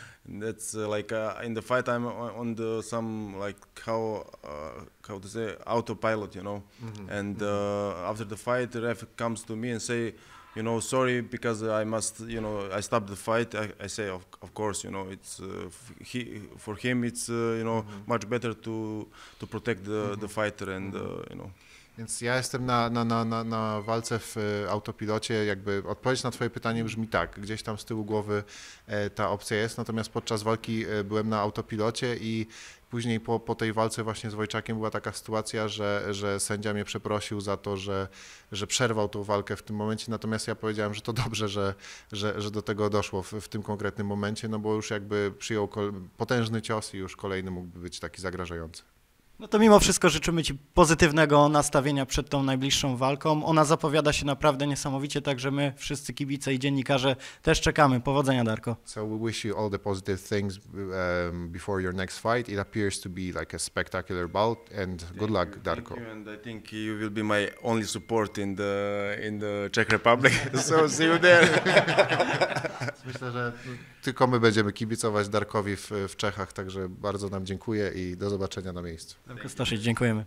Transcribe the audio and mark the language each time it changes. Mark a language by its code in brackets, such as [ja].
[en] That's in the fight I'm on the some like how to say autopilot, you know. Mm-hmm. And after the fight, the ref comes to me and say, you know, sorry, because I must, you know, I stopped the fight. I say, of course, you know, it's for him, it's, you know, much better to protect the fighter and, you know. [pl] Więc ja jestem na walce w autopilocie, jakby odpowiedź na twoje pytanie brzmi tak, gdzieś tam z tyłu głowy ta opcja jest, natomiast podczas walki byłem na autopilocie i później po tej walce właśnie z Wojczakiem była taka sytuacja, że sędzia mnie przeprosił za to, że przerwał tą walkę w tym momencie, natomiast ja powiedziałem, że to dobrze, że do tego doszło w tym konkretnym momencie, no bo już jakby przyjął potężny cios i już kolejny mógłby być taki zagrażający. No to mimo wszystko życzymy ci pozytywnego nastawienia przed tą najbliższą walką. Ona zapowiada się naprawdę niesamowicie, także my wszyscy kibice i dziennikarze też czekamy. Powodzenia, Darko. [en] So we wish you all the positive things before your next fight. It appears to be like a spectacular bout and good luck, Darko. Thank you, and I think you will be my only support in the Czech Republic. So see you there. [pl] Myślę, że tylko my będziemy kibicować Darkowi w Czechach, także bardzo nam dziękuję i do zobaczenia na miejscu. Darko Staszyc, dziękujemy.